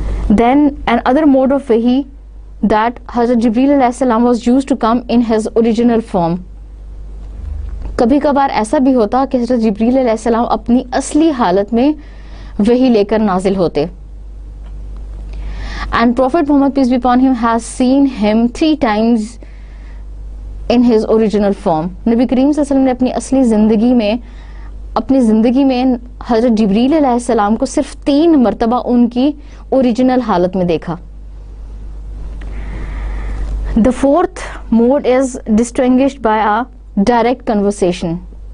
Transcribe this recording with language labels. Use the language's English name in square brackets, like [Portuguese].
[English] Then another mode of wahi that Hazrat Jibreel alayhi salam was used to come in his original form. [Urdu] کبھی کبھار ایسا بھی ہوتا کہ حضرت جبریل علیہ السلام اپنی اصلی حالت میں وحی لے کر نازل ہوتے. [English] And Prophet Muhammad peace be upon him has seen him three times in his original form. [Urdu] نبی کریم صلی اللہ علیہ وسلم نے اپنی اصلی زندگی میں اپنی زندگی میں حضرت جبریل علیہ السلام کو صرف تین مرتبہ ان کی اوریجنل حالت میں دیکھا [English] The fourth mode is distinguished by a direct conversation.